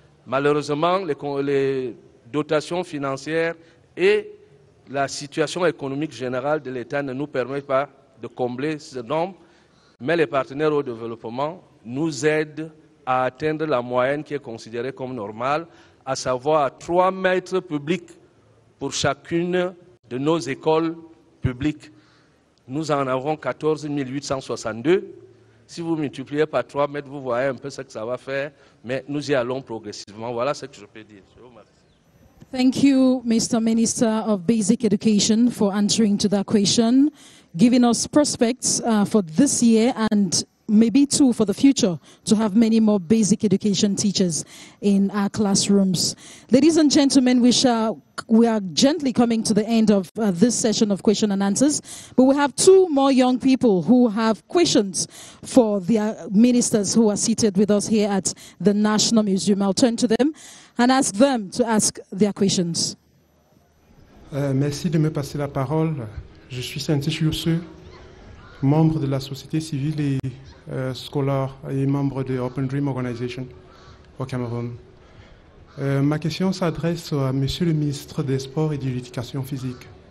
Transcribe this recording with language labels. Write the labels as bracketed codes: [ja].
[fr] Malheureusement, les dotations financières et la situation économique générale de l'État ne nous permettent pas de combler ce nombre, mais les partenaires au développement nous aident à atteindre la moyenne qui est considérée comme normale, à savoir 3 mètres publics pour chacune de nos écoles publiques. Nous en avons 14 862. Si vous multipliez par 3 mètres, vous voyez un peu ce que ça va faire, mais nous y allons progressivement. Voilà ce que je peux dire. Je vous remercie. [en] Thank you, Mr. Minister of Basic Education, for answering to that question, giving us prospects for this year and maybe too for the future to have many more basic education teachers in our classrooms. Ladies and gentlemen, we are gently coming to the end of this session of question and answers, but we have two more young people who have questions for the ministers who are seated with us here at the National Museum. I'll turn to them and ask them to ask their questions. [fr] Merci de me passer la parole. Je suis Saint-Chiusse, membre de la société civile et scolaire et membre de Open Dream Organization au Cameroun. Ma question s'adresse à Monsieur le ministre des Sports et de l'Éducation physique.